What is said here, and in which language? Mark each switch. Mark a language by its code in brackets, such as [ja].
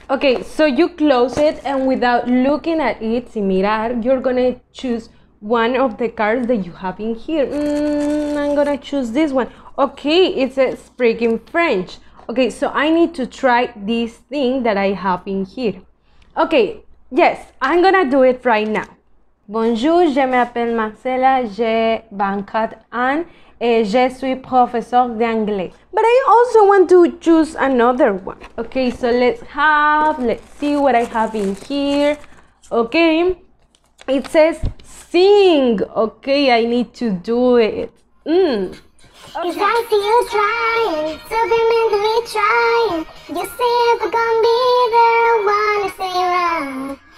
[en] Okay, so you close it, and without looking at it, [es] sin mirar, [en] you're gonna choose one of the cards that you have in here. I'm gonna choose this one. Okay, it says speaking French. Okay, so I need to try this thing that I have in here. Okay, yes, I'm gonna do it right now. [fr] Bonjour, je m'appelle Marcella, j'ai 24 ans, et je suis professeur d'anglais. [en] But I also want to choose another one. Okay, so let's see what I have in here. Okay, it says sing. Okay, I need to do it. Okay. If I see you trying, so vehemently trying, you say if I gonna be there, wanna stay around.